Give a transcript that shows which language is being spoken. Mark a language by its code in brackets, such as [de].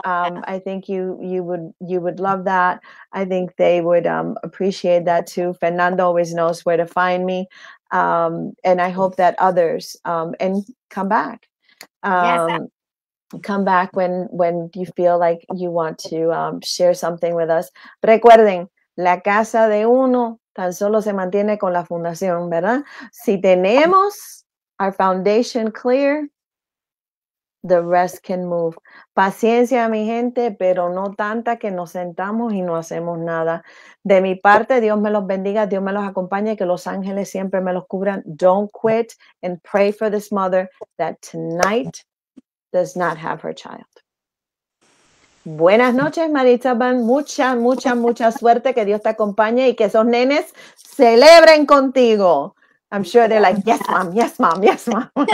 [en] I think you would love that. I think they would appreciate that too. Fernando always knows where to find me. And I hope that others and come back. Yes, Come back when you feel like you want to share something with us. [es] Recuerden, la casa de uno tan solo se mantiene con la fundación, ¿verdad? Si tenemos [en] our foundation clear, the rest can move. [es] Paciencia, mi gente, pero no tanta que nos sentamos y no hacemos nada. De mi parte, Dios me los bendiga, Dios me los acompañe, que los ángeles siempre me los cubran. [en] Don't quit and pray for this mother that tonight does not have her child. [es] Buenas noches, Maritza. Mucha, mucha, mucha suerte. Que Dios te acompañe y que esos nenes celebren contigo. [en] I'm sure they're like, yes, mom, yes, mom, yes, mom.